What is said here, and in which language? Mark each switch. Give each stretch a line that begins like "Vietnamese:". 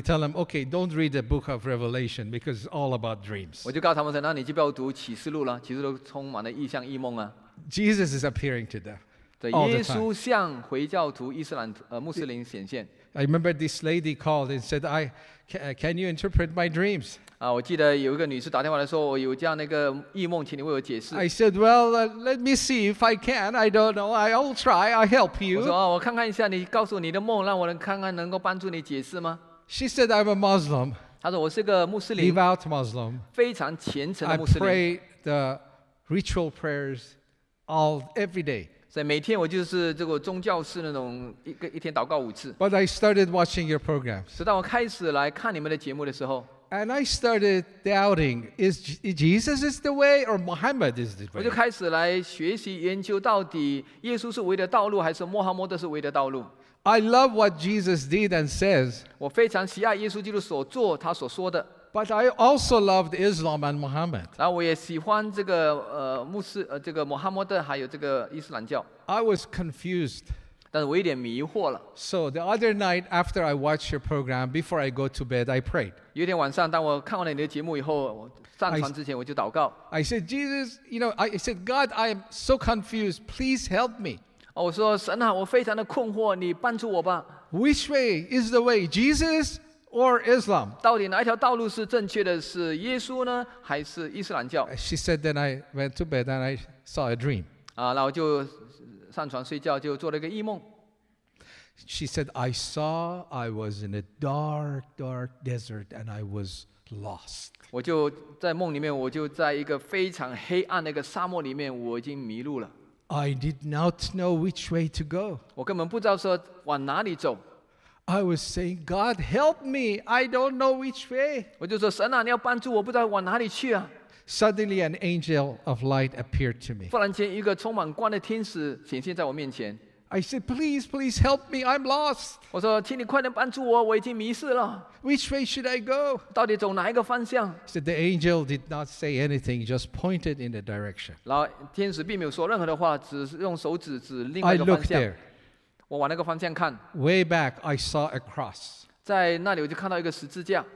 English: tell them, okay, don't read the book of Revelation because it's all about dreams.
Chinese: 我就告诉他们说，那你就不要读启示录了，启示录充满了意象异梦啊。Jesus
English: is appearing to them.
Chinese: 对，耶稣向回教徒、伊斯兰穆斯林显现。
English: I remember this lady called and said, "Can you interpret my dreams?"
Chinese: 我记得有一个女士打电话来说，我有这样的一个异梦，请你为我解释。
English: I said, "Well, let me see if I can. I don't know. I'll try. I'll help you."
Chinese: 我说，我看看一下，你告诉我你的梦，让我能看看能够帮助你解释吗？
English: She said, "I'm a Muslim."
Chinese: 她说，我是个穆斯林
English: ，devout Muslim，
Chinese: 非常虔诚的穆斯林。
English: I pray the ritual prayers all every day.
Chinese: 所以每天我就是这个宗教式那种一天祷告五次。
English: But I started watching your programs.
Chinese: 直到我开始来看你们的节目的时候。
English: And I started doubting, is Jesus is the way or Muhammad is the way?
Chinese: 我就开始来学习研究到底耶稣是唯一的道路还是穆罕默德是唯一的道路。
English: I love what Jesus did and says.
Chinese: 我非常喜爱耶稣基督所做他所说的。
English: But I also loved Islam and Muhammad.
Chinese: 然后我也喜欢这个穆斯这个穆罕默德还有这个伊斯兰教。
English: I was confused.
Chinese: 但是我有点迷惑了。
English: So the other night after I watched your program, before I go to bed, I prayed.
Chinese: 有一天晚上，当我看完了你的节目以后，我上床之前我就祷告。
English: I said, God, I am so confused. Please help me.
Chinese: 我说神啊，我非常的困惑，你帮助我吧。
English: Which way is the way, Jesus? Or Islam?
Chinese: 到底哪一条道路是正确的？是耶稣呢，还是伊斯兰教？
English: She said that I went to bed and I saw a dream.
Chinese: 然后就上床睡觉，就做了个异梦。
English: She said I saw I was in a dark, dark desert and I was lost.
Chinese: 我就在梦里面，我就在一个非常黑暗的一个沙漠里面，我已经迷路了。
English: I did not know which way to go.
Chinese: 我根本不知道说往哪里走。
English: I was saying, God, help me. I don't know which way.
Chinese: 我就说神啊，你要帮助我，不知道往哪里去啊。
English: Suddenly, an angel of light appeared to me.
Chinese: 忽然间，一个充满光的天使显现在我面前。
English: I said, please, please help me. I'm lost.
Chinese: 我说，请你快点帮助我，我已经迷失了。
English: Which way should I go?
Chinese: 到底走哪一个方向？
English: So the angel did not say anything, just pointed in the direction.
Chinese: 然后天使并没有说任何的话，只是用手指指另外一个方向。
English: I looked there.
Chinese: 我往那个方向看。
English: Way back, I saw a cross.
Chinese: 在那里我就看到一个十字架。